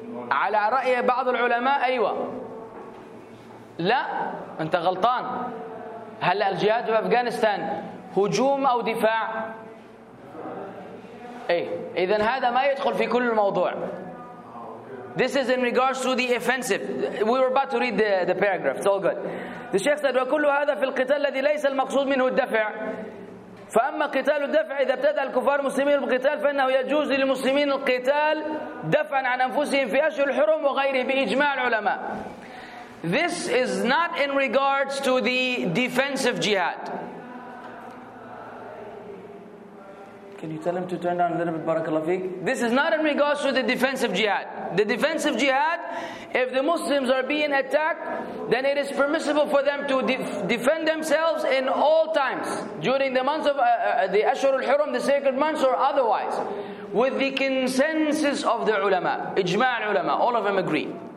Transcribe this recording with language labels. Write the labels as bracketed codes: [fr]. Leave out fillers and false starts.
[ar] على رأي بعض العلماء أيوة. لا أنت غلطان. هل الجهاد في أفغانستان هجوم أو دفاع؟ [en] Hey, [ar] إذن هذا ما يدخل في كل الموضوع. [en] This is in regards to the offensive. We were about to read the paragraph. It's all good. The Sheikh said, [ar] وكل هذا في القتال الذي ليس المقصود منه الدفع. فأما قتال الدفع إذا ابتدأ الكفار المسلمين بالقتال فإنه يجوز للمسلمين القتال دفعا عن أنفسهم في أشهر الحرم وغيره بإجماع العلماء. [en] This is not in regards to the defensive jihad. Can you tell him to turn down a little bit, barakallahu feek? This is not in regards to the defensive jihad. The defensive jihad, if the Muslims are being attacked, then it is permissible for them to defend themselves in all times, during the months of the Ashur al-Hurum, the sacred months, or otherwise, with the consensus of the ulama, ijma' al-ulama, all of them agree.